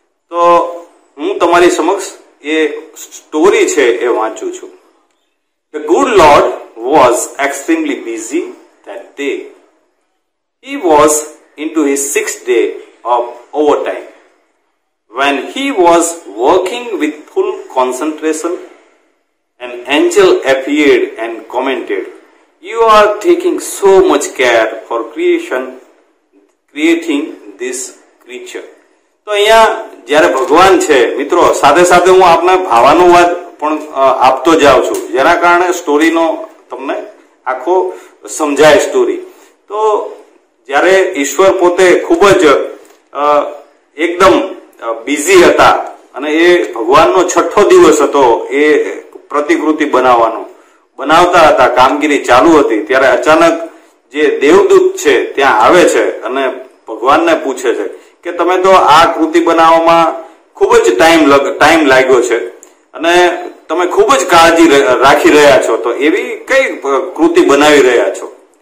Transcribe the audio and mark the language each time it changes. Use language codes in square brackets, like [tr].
[gu] તો હું તમારી સમક્ષ એ સ્ટોરી છે એ વાંચું છું. [en] The good lord was extremely busy that day. He was into his sixth day of overtime when he was working with full concentration. An angel appeared and commented, "You are taking so much care for creation, creating this creature." [gu] તો અહીંયા જ્યારે ભગવાન છે મિત્રો, સાથે સાથે હું આપને ભાવાનુવાદ પણ આપતો જાઉં છું, જેના કારણે સ્ટોરીનો તમને આખો સમજાય સ્ટોરી. તો જ્યારે ઈશ્વર પોતે ખૂબ જ એકદમ બિઝી હતા અને એ ભગવાનનો છઠ્ઠો દિવસ હતો એ પ્રતિકૃતિ બનાવતા હતા, કામગીરી ચાલુ હતી, ત્યારે અચાનક જે દેવદૂત છે ત્યાં આવે છે અને ભગવાનને પૂછે છે કે તમે તો આ કૃતિ બનાવવામાં ખૂબ જ ટાઈમ લાગ્યો છે અને તમે ખૂબ જ કાળજી રાખી રહ્યા છો, તો એવી કઈ કૃતિ બનાવી રહ્યા છો?